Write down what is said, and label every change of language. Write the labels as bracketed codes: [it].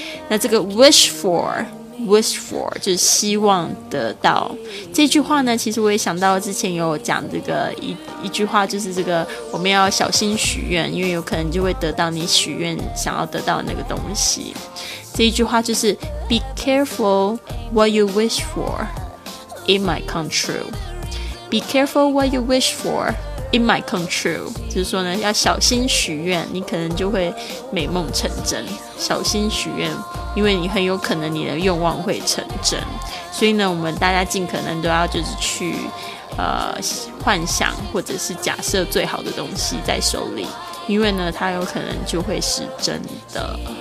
[zh] 那这个 wish for 就是希望得到这句话呢，其实我也想到之前有讲这个 一句话，就是这个我们要小心许愿，因为有可能就会得到你许愿想要得到那个东西。这一句话就是 [en] be careful what you wish for, it might come true. Be careful what you wish for, it might come true. [zh] 就是说呢要小心许愿，你可能就会美梦成真，小心许愿，因为你很有可能你的愿望会成真。所以呢我们大家尽可能都要就是去幻想或者是假设最好的东西在手里，因为呢它有可能就会是真的。